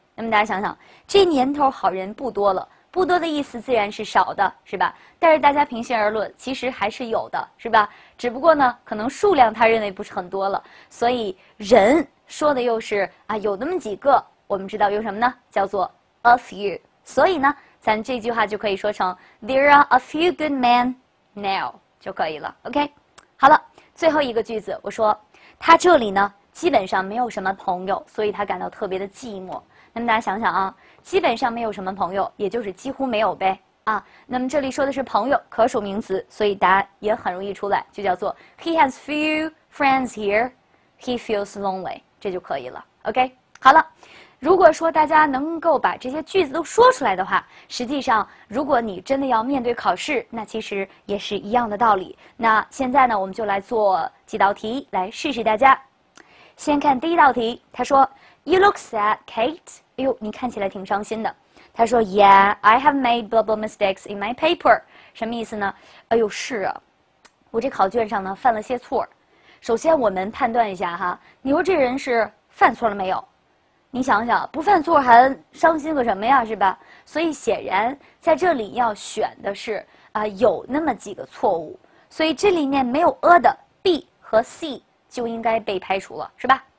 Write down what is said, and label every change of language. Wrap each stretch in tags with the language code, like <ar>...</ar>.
<zh>那么大家想想，这年头好人不多了，不多的意思自然是少的，是吧？但是大家平心而论，其实还是有的，是吧？只不过呢，可能数量他认为不是很多了，所以人说的又是啊，有那么几个，我们知道用什么呢？叫做 a few。所以呢，咱这句话就可以说成</zh> <en>There are a few good men now</en> <zh>就可以了。 OK， 好了，最后一个句子，我说他这里呢基本上没有什么朋友，所以他感到特别的寂寞。那么大家想想啊，基本上没有什么朋友，也就是几乎没有呗。啊，那么这里说的是朋友，可数名词，所以答案也很容易出来，就叫做</zh> <en>He has few friends here, he feels lonely，</en> <zh>这就可以了。 OK， 好了，如果说大家能够把这些句子都说出来的话，实际上如果你真的要面对考试，那其实也是一样的道理。那现在呢，我们就来做几道题来试试大家。</zh> <en>先看第一道题，</en> <zh>他说</zh> <en>，You look sad, Kate。</en> <zh>哎呦，你看起来挺伤心的。他说</zh> <en>，Yeah, I have made blah mistakes in my paper。</en> <zh>什么意思呢？哎呦，是啊，我这考卷上呢犯了些错。首先，我们判断一下哈，你说这人是犯错了没有？你想想，不犯错还伤心个什么呀，是吧？所以显然在这里要选的是啊、有那么几个错误，所以这里面没有 a 的 B 和 C 就应该被排除了，是吧？</zh>